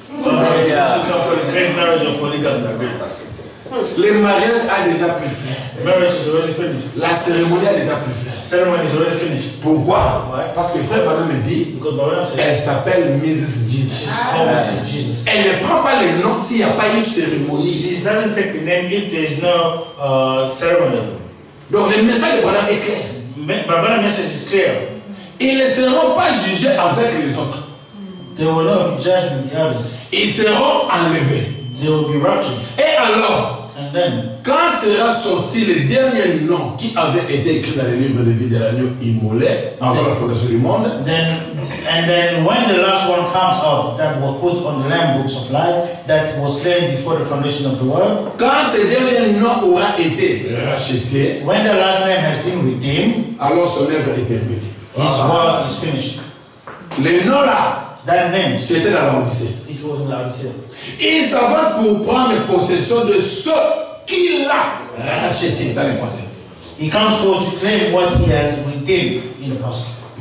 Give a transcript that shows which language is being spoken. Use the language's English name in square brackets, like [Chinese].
[French] Le mariage a déjà pu faire. [English] Marriage is already finished. [French] La cérémonie a déjà pu faire. [English] Ceremony is already finished. [French] Pourquoi? [English] Why? [French] Parce que frère Branham me dit, elle s'appelle Mrs. Jesus. [English] Mrs. Jesus. [French] Elle ne prend pas le nom s'il n'y a pas eu cérémonie. [English] She doesn't take the name if there is no ceremony. [French] Donc le message de Branham est clair. [English] Branham's message is clear. [French] Ils ne seront pas jugés avec les autres. [English] They will not be judged with the others. [French] Ils seront enlevés. [English] They will be raptured. [French] Et alors, [English] and then, [French] quand sera sorti le dernier nom qui avait été écrit dans le livre de vie de l'agneau immolé avant la fondation du monde, [English] then, and then when the last one comes out that was put on the Lamb books of life that was slain before the foundation of the world, [French] quand ce dernier nom aura été racheté, [English] when the last name has been redeemed, [French] alors son œuvre est terminée. [English] His work is finished. [French] Le nom là, [English] that name, [French] c'était dans la Odyssée. [English] It was in the Odyssey. [French] Il s'avance pour prendre possession de ce qu'il a racheté dans le passé. [English] He comes forward to claim what he has redeemed in the past.